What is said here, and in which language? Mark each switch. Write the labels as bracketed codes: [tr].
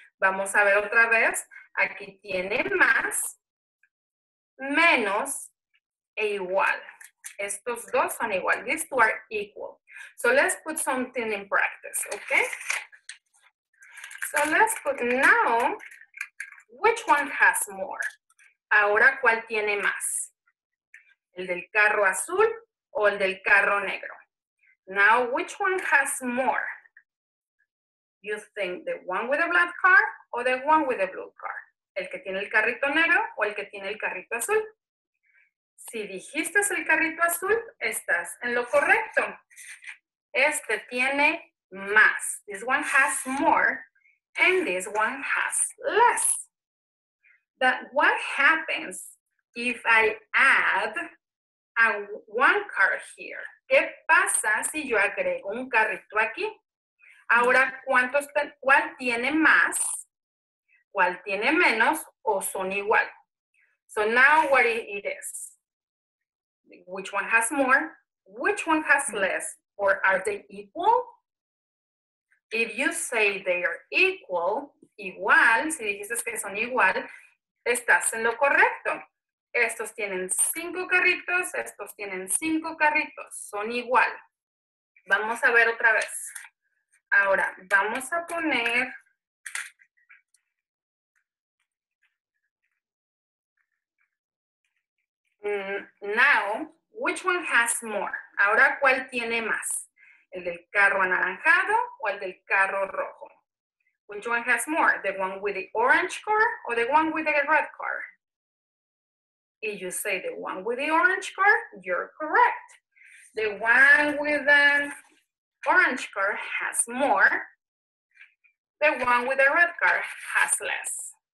[es] Vamos a ver otra vez. Aquí tiene más, menos, e igual. Estos dos son igual. [en] These two are equal. So let's put something in practice, okay? So let's put now, which one has more? [es] Ahora, ¿cuál tiene más? ¿El del carro azul o el del carro negro? [en] Now, which one has more? You think the one with the black car or the one with the blue car? [es] ¿El que tiene el carrito negro o el que tiene el carrito azul? Si dijiste el carrito azul, estás en lo correcto. Este tiene más. [en] This one has more. And this one has less. But what happens if I add a one car here? [es] ¿Qué pasa si yo agrego un carrito aquí? Ahora, ¿cuál tiene más? ¿Cuál tiene menos? ¿O son igual? [en] So now what it is? Which one has more? Which one has less? Or are they equal? If you say they are equal, [es] igual, si dices que son igual, estás en lo correcto. Estos tienen cinco carritos, estos tienen cinco carritos, son igual. Vamos a ver otra vez. Ahora, vamos a poner [en] now, which one has more? [es] Ahora, ¿cuál tiene más? ¿El del carro anaranjado o el del carro rojo? [en] Which one has more? The one with the orange car or the one with the red car? If you say the one with the orange car, you're correct. The one with the orange car has more. The one with the red car has less.